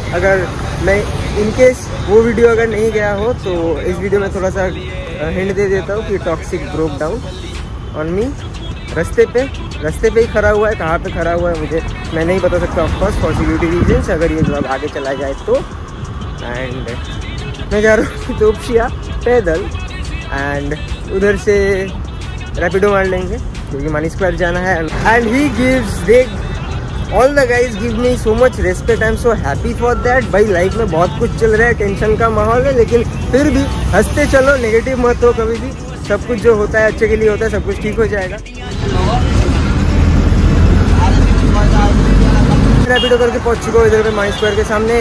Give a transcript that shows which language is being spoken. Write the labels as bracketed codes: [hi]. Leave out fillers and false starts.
[hi] अगर मैं इनकेस वो वीडियो अगर नहीं गया हो तो इस वीडियो में थोड़ा सा हिंट दे देता हूँ कि toxic broke down on मी रस्ते पे ही खड़ा हुआ है। कहाँ पे खड़ा हुआ है मुझे मैं नहीं बता सकता, ऑफकोर्स फॉर सिक्योरिटी रीजंस, अगर ये ब्लॉग आगे चला जाए तो। एंड मैं जा रहा हूँ तोपशिया पैदल, एंड उधर से रैपिडो मार लेंगे क्योंकि मनी स्क्वायर जाना है। [en] And he gives big All the guys give me so much respect. I'm so happy for that. [hi] भाई लाइफ में बहुत कुछ चल रहा है, टेंशन का माहौल है, लेकिन फिर भी हंसते चलो, नेगेटिव मत हो कभी भी। सब कुछ जो होता है अच्छे के लिए होता है, सब कुछ ठीक हो जाएगा। रैपिडो करके पहुंच चुका हूं इधर पे माइंड स्क्वायर के सामने।